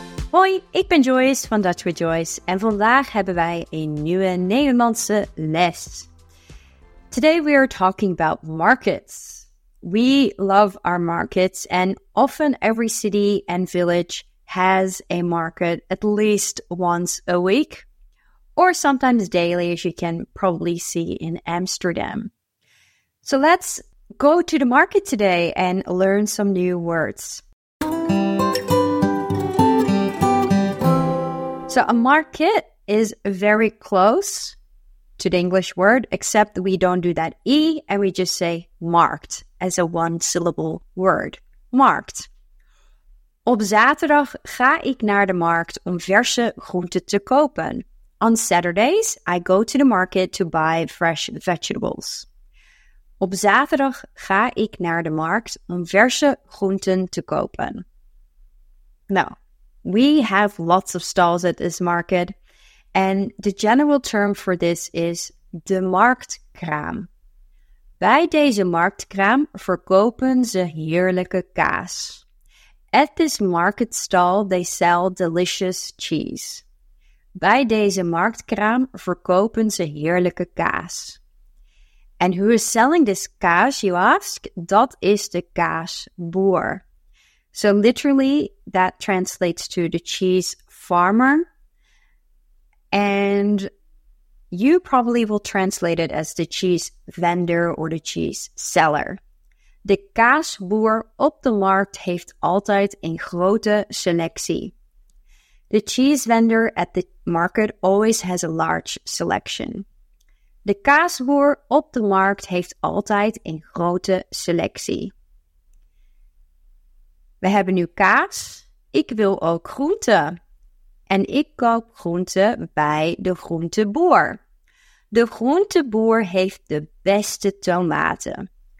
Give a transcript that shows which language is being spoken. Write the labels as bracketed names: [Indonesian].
[Dutch] Hoi, ik ben Joyce van Dutch with Joyce en vandaag hebben wij een nieuwe Nederlandse les. [English] Today we are talking about markets. We love our markets and often every city and village has a market at least once a week or sometimes daily as you can probably see in Amsterdam. So let's go to the market today and learn some new words. So a market is very close to the English word, except we don't do that E and we just say marked as a one-syllable word. Marked. [Dutch] Op zaterdag ga ik naar de markt om verse groenten te kopen. [English] On Saturdays, I go to the market to buy fresh vegetables. [Dutch] Op zaterdag ga ik naar de markt om verse groenten te kopen. [English] Now, we have lots of stalls at this market. And the general term for this is de marktkraam. [Dutch] Bij deze marktkraam verkopen ze heerlijke kaas. [English] At this market stall, they sell delicious cheese. [Dutch] Bij deze marktkraam verkopen ze heerlijke kaas. [English] And who is selling this kaas, you ask? [Dutch] Dat is de kaasboer. [English] So literally, that translates to the cheese farmer. And you probably will translate it as the cheese vendor or the cheese seller. [Dutch] De kaasboer op de markt heeft altijd een grote selectie. [English] The cheese vendor at the market always has a large selection. [Dutch] De kaasboer op de markt heeft altijd een grote selectie. We hebben nu kaas. Ik wil ook groenten. En ik koop groente bij de groenteboer. De groenteboer heeft de beste tomaten.